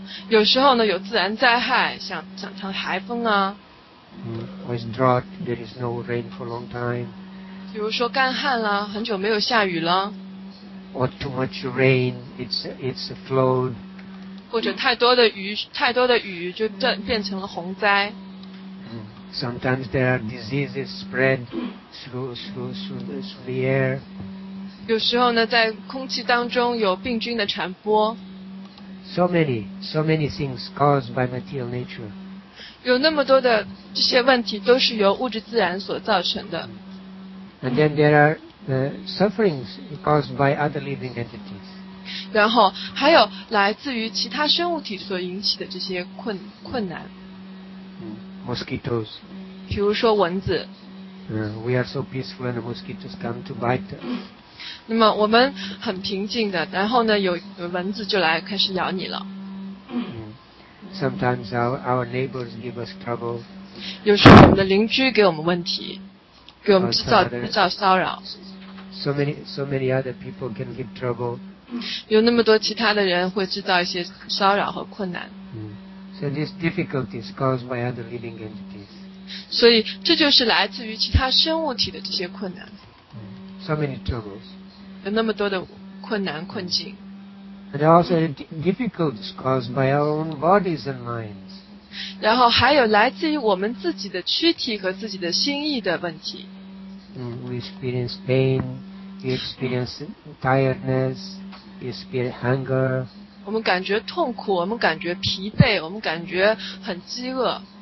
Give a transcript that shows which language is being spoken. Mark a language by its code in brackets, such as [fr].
[zh] 有时候呢有自然灾害，像台风啊。 [en] Or is drought, there is no rain for a long time. [zh] 比如说干旱啦，很久没有下雨了。 [en] Or too much rain, it's a flood. [zh] 或者太多的雨就变成了洪灾。 [en] Sometimes there are diseases spread through the air. [zh] 有时候呢，在空气当中有病菌的传播。 [en] So many things caused by material nature. [zh] 有那么多的这些问题都是由物质自然所造成的。 [en] And then there are the sufferings caused by other living entities. [zh] 然后还有来自于其他生物体所引起的这些困难。 [en] Mosquitoes. [zh] 比如说蚊子。 [en] We are so peaceful and the mosquitoes come to bite us. [zh] 那么我们很平静的，然后呢有蚊子就来开始咬你了。 [en] Sometimes our neighbors give us trouble. [zh] 有时候我们的邻居给我们问题，给我们制造骚扰。 [en] So many other people can give trouble. [zh] 有那么多其他的人会制造一些骚扰和困难。 [en] So these difficulties caused by other living entities. [zh] 所以这就是来自于其他生物体的这些困难。 [en] So many troubles. [zh] 有那么多的困难困境。 [en] And also difficulties caused by our own bodies and minds. [zh] 然后还有来自于我们自己的躯体和自己的心意的问题。 [en] We experience pain. We experience tiredness. Hunger. [zh] 我们感觉痛苦，我们感觉疲惫，我们感觉很饥饿。